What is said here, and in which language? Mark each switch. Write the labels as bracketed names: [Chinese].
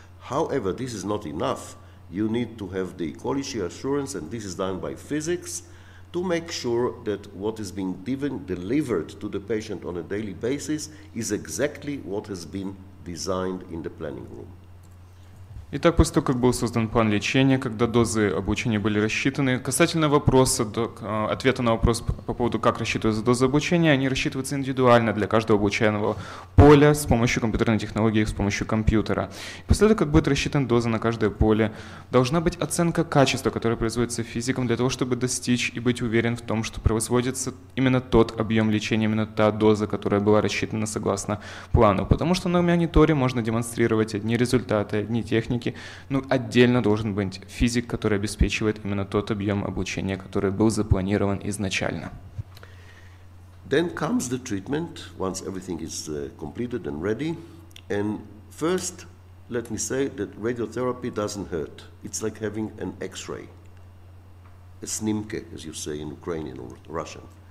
[English] However, this is not enough. You need to have the quality assurance, and this is done by physics, to make sure that what is being delivered to the patient on a daily basis is exactly what has been designed in the planning room. [Russian] Итак, после того, как был создан план лечения, когда дозы облучения были рассчитаны, касательно вопроса, ответа на вопрос по поводу, как рассчитываются дозы облучения, они рассчитываются индивидуально для каждого облученного поля с помощью компьютерной технологии, с помощью компьютера. После того, как будет рассчитана доза на каждое поле, должна быть оценка качества, которая производится физиком для того, чтобы достичь и быть уверен в том, что производится именно тот объем лечения, именно та доза, которая была рассчитана согласно плану. Потому что на мониторе можно демонстрировать одни результаты, одни те, техники, но отдельно должен быть физик, который обеспечивает именно тот объем облучения, который был запланирован изначально. [English] Then comes the treatment once everything is completed and ready. And first, let me say that radiotherapy doesn't hurt. It's like having an X-ray, a снимке, as you say in Ukrainian or Russian.